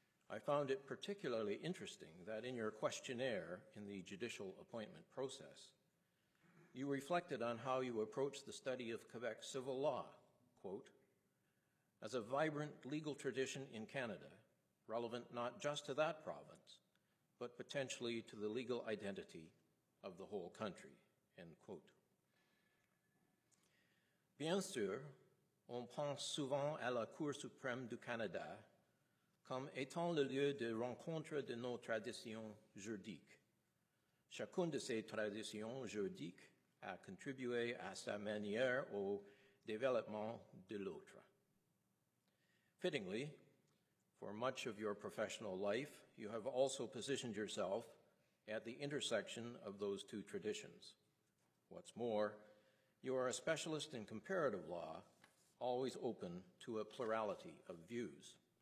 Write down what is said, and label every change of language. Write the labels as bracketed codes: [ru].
[en] I found it particularly interesting that in your questionnaire in the judicial appointment process, you reflected on how you approach the study of Quebec civil law, quote, as a vibrant legal tradition in Canada, relevant not just to that province, but potentially to the legal identity of the whole country, end quote. [fr] Bien sûr, on pense souvent à la Cour suprême du Canada comme étant le lieu de rencontre de nos traditions juridiques. Chacune de ces traditions juridiques a contribué à sa manière au développement de l'autre. [en] Fittingly, for much of your professional life, you have also positioned yourself at the intersection of those two traditions. What's more, you are a specialist in comparative law, always open to a plurality of views.